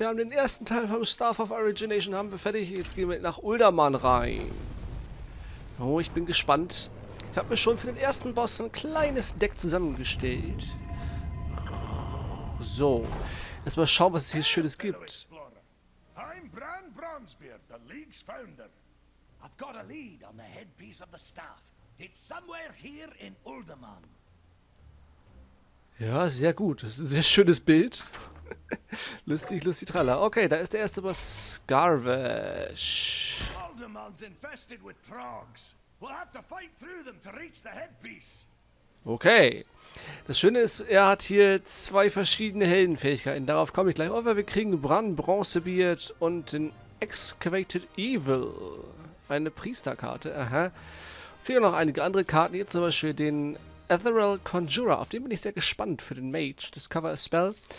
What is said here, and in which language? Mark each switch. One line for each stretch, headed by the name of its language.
German: Wir haben den ersten Teil vom Staff of Origination haben wir fertig. Jetzt gehen wir nach Uldaman rein. Oh, ich bin gespannt. Ich habe mir schon für den ersten Boss ein kleines Deck zusammengestellt. So. Erstmal schauen, was es hier Schönes gibt.
English: I'm Bran Bronzebeard, the League's founder. I've got a lead on the headpiece of the staff. It's somewhere here in Uldaman.
German: Ja, sehr gut. Das ist ein sehr schönes Bild. Lustig, lustig, tralla. Okay, da ist der erste Boss. Scarvash.
English: Uldaman's infested with Trogs. We'll have to fight through them to reach the headpiece.
German: Okay. Das Schöne ist, er hat hier zwei verschiedene Heldenfähigkeiten. Darauf komme ich gleich. Aber wir kriegen Bran Bronzebeard und den Excavated Evil. Eine Priesterkarte. Aha. Kriegen wir noch einige andere Karten. Hier zum Beispiel den Ethereal Conjurer. Auf den bin ich sehr gespannt für den Mage.
English: Discover a Spell.